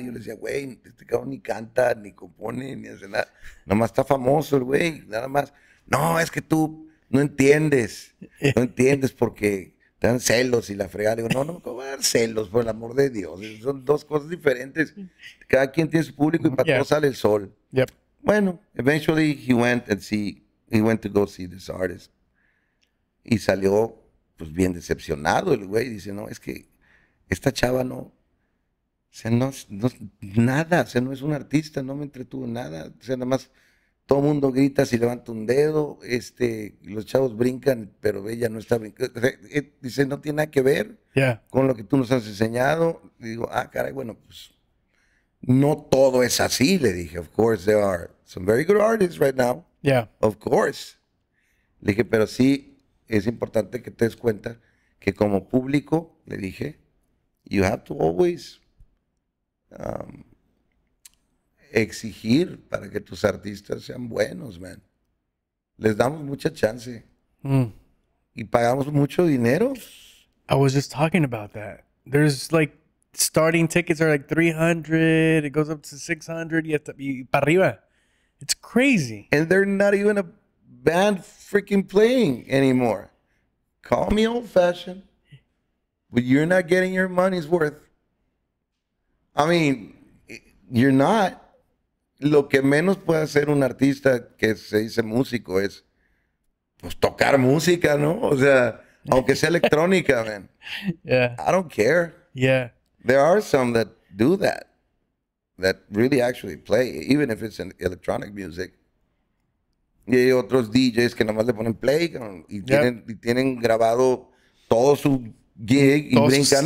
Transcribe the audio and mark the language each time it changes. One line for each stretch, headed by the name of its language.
Spanish: Y yo le decía, güey, este cabrón ni canta, ni compone, ni hace nada. Nomás está famoso el güey, nada más. No, es que tú no entiendes. No entiendes porque... Dan celos y la fregada. Digo, no, ¿cómo va a dar celos? Por el amor de Dios. Son dos cosas diferentes. Cada quien tiene su público y para todos sale el sol.
English: Yep.
Spanish: Bueno,
English: eventually he went to go see this artist.
Spanish: Y salió, pues, bien decepcionado el güey. Dice, no, es que esta chava no, o sea, no es nada. O sea, no es un artista, no me entretuvo nada. O sea, nada más todo el mundo grita si levanta un dedo, los chavos brincan, pero ella no está brincando. Dice, no tiene nada que ver con lo que tú nos has enseñado. Y digo, ah, caray, bueno, pues no todo es así, le dije.
English: Of course, there are some very good artists right now. Yeah. Of course.
Spanish: Le dije, pero sí es importante que te des cuenta que como público, le dije,
English: you have to always
Spanish: exigir para que tus artistas sean buenos, man. Les damos mucha chance. Mm. Y pagamos mucho dinero.
English: I was just talking about that. There's like starting tickets are like 300. It goes up to 600. You have to be
Spanish: para arriba.
English: It's crazy. And they're not even a band freaking playing anymore. Call me old fashioned, but you're not getting your money's worth. I mean, you're not.
Spanish: Lo que menos puede hacer un artista que se dice músico es pues tocar música, ¿no? O sea, aunque sea electrónica, man.
English: Yeah. I don't care. Yeah. There are some that do that, that really actually play, even if it's an electronic music.
Spanish: Y hay otros DJs que nomás le ponen play y tienen, yep, y tienen grabado todo su gig y brincan.